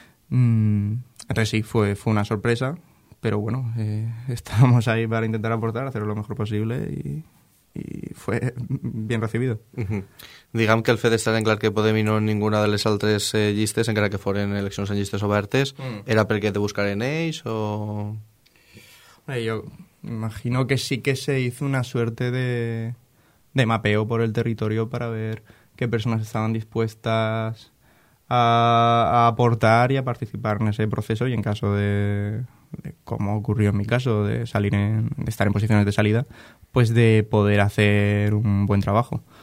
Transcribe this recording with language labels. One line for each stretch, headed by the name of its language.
Spanish: Entonces sí, fue una sorpresa, pero bueno, estábamos ahí para intentar aportar, hacer lo mejor posible y fue bien recibido.
Catalan: Digamos que el fet d'estar en clar que Podem i no en ninguna de les altres llistes, encara que foren eleccions en llistes obertes, era perquè te buscaren ells o...
Spanish: Yo imagino que sí que se hizo una suerte de mapeo por el territorio para ver qué personas estaban dispuestas a aportar y a participar en ese proceso y en caso de como ocurrió en mi caso, de salir en, de estar en posiciones de salida, pues de poder hacer un buen trabajo.